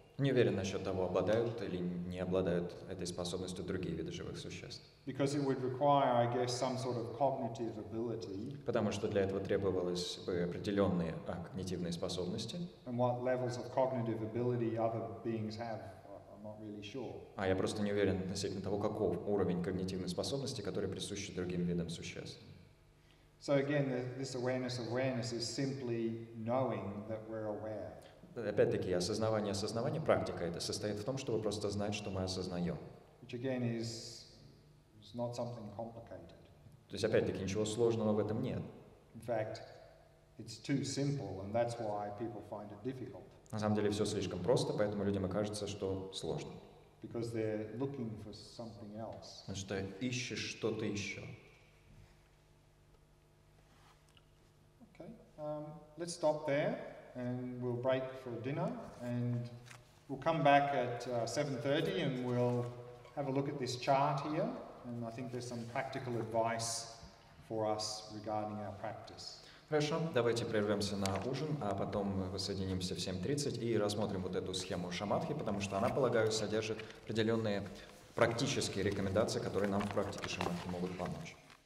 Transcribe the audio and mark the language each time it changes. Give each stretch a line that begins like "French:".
Russian: Не уверен насчет того, обладают или не обладают этой способностью другие виды живых существ.
English: Because it would require, I guess, some sort of cognitive ability.
Russian: Потому что для этого требовалось бы определенные когнитивные способности.
English: And what levels of cognitive ability other beings have, I'm not really sure.
Russian: А я просто не уверен относительно того, каков уровень когнитивной способности, который присущ другим видам существ.
English: So again, this awareness is simply knowing that we're aware.
Russian: Опять-таки, осознавание, практика это состоит в том, чтобы просто знать, что мы осознаем.
English: Which again is not something complicated.
Russian: То есть, опять-таки, ничего сложного в этом нет.
English: In fact, it's too simple, and that's why people find it difficult.
Russian: На самом деле, все слишком просто, поэтому людям кажется, что сложно.
English: Because they're looking for something else.
Russian: Потому что ищешь что-то еще.
English: Okay, let's stop there. And we'll break for dinner, and we'll come back at 7:30, and we'll have a look at this chart here. And I think there's some practical advice for us regarding our practice.
Russian: Хорошо, давайте прервемся на ужин, а потом воссоединимся в 7:30 и рассмотрим вот эту схему шамадхи, потому что она, полагаю, содержит определенные практические рекомендации, которые нам в практике шамадхи могут помочь.